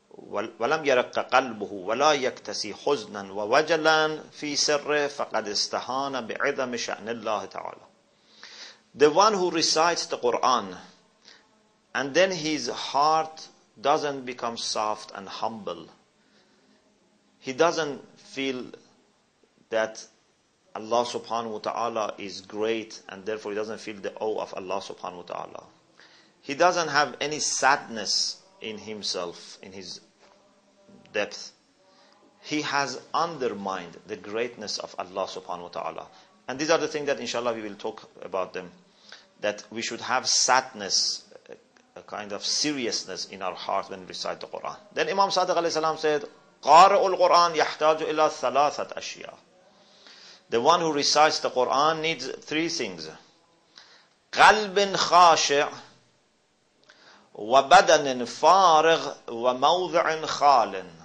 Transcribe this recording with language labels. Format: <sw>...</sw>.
<ar>ولم يرق قلبه ولا يكتسي حزنا ووجلا في سره فقد استهان بعظم شأن الله تعالى.</ar> <en>The one who recites the Quran and then his heart doesn't become soft and humble. He doesn't feel that Allah subhanahu wa ta'ala is great, and therefore he doesn't feel the awe of Allah subhanahu wa ta'ala. He doesn't have any sadness in himself, in his depth. He has undermined the greatness of Allah subhanahu wa ta'ala. And these are the things that inshallah we will talk about them. That we should have sadness, a kind of seriousness in our heart when we recite the Quran. Then Imam Sadiq alayhi salam said,</en> <ar>قارئ القرآن يحتاج إلى ثلاثة أشياء.</ar> <en>The one who recites the Quran needs three things.</en> <ar>قلب خاشع وبدن فارغ وموضع خال.</ar>